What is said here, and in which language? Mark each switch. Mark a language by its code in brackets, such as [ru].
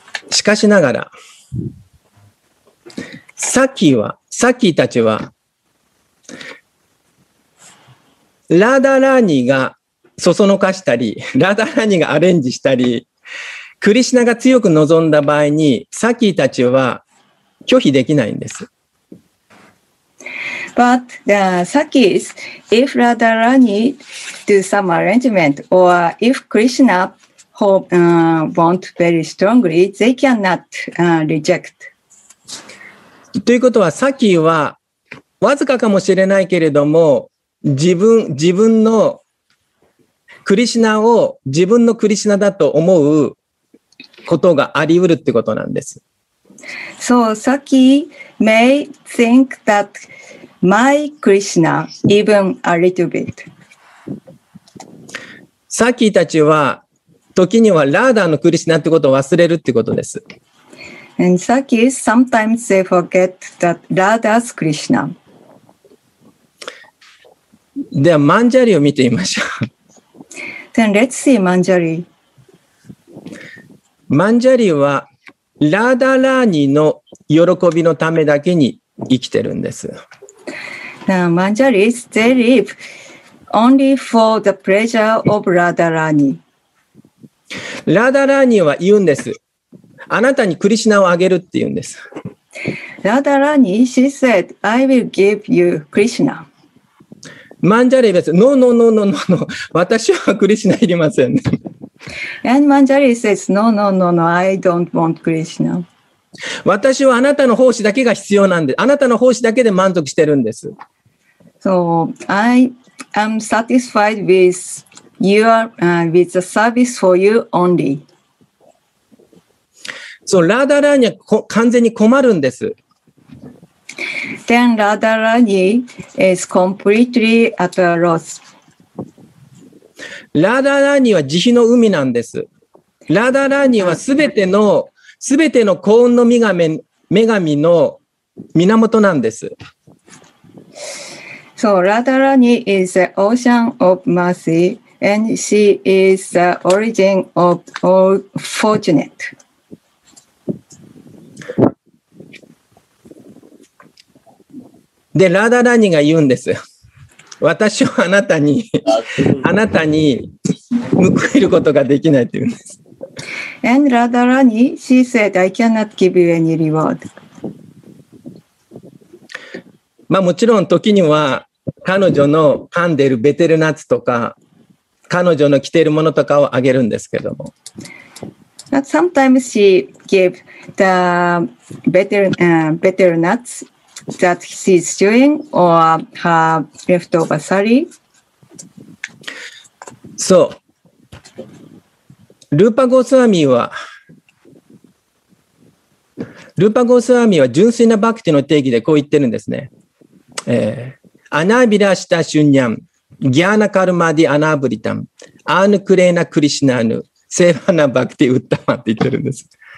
[ja] しかしながら、サキたちは、ラーダラーニーがそそのかしたり、ラーダラーニーがアレンジしたり、クリシナが強く望んだ場合に、サキたちは拒否できないんです。 [en] But the Sakis, if Radha Rani do some arrangement, or if Krishna,want very strongly, they cannot, reject. [ja] ということは、サキはわずかかもしれないけれども、自分のクリシナを自分のクリシナだと思うことがあり得るってことなんです。 [en] So, Saki may think that my Krishna, even a little bit. [ja] サキたちは時にはラーダのクリシナってことを忘れるってことです。 [en] And Saki, sometimes they forget that Radha's Krishna. [ja] ではマンジャリを見てみましょう。 [en] Then let's see マンジャリ。 [ja] マンジャリはラーダラーニの喜びのためだけに生きてるんです。 [en] マンジャリ is they live only for the pleasure of Radha Rani. [ja] ラダラーニーは言うんです。あなたにクリシナをあげるって言うんです。 [en] ラダラーニー、she said, I will give you Krishna. [ja] マンジャリーです。 [en] No, no, no, no, no, no. [ja] 私はクリシナいりません。 [en] And マンジャリー says, No, no, no, no, I don't want Krishna. [ja] 私はあなたの奉仕だけが必要なんで、あなたの奉仕だけで満足してるんです。 [en] So, I am satisfied withYou are, with the service for you only. [ja] So, Radha Rani は完全に困るんです。 [en] Then Radha Rani is completely at a loss. [ja] ラダラーニは慈悲の海なんです。ラダラーニはすべての幸運の女神の源なんです。 [en] So, Radharani is the ocean of mercy, and she is the origin of all fortunate. [ja] で、Radharaniが言うんです。私はあなたに、あなたに報いることができないと言うんです。 [en] And Radharani, she said, I cannot give you any reward. [ja] まあもちろん時には、彼女の噛んでるベテルナッツとか彼女の着ているものとかをあげるんですけども。 [en] But sometimes she gave the betel nuts that she's chewing or her leftover sari. [ja] そう。ルーパゴスワミは、ルーパゴスワミは純粋なバクティの定義でこう言ってるんですね。 [sa] アナビラシタシュンニャン、ギャーナカルマディアナブリタン、アーヌクレーナクリシナーヌ、セーバーナバクティウッタマ [ja] って言ってるんです。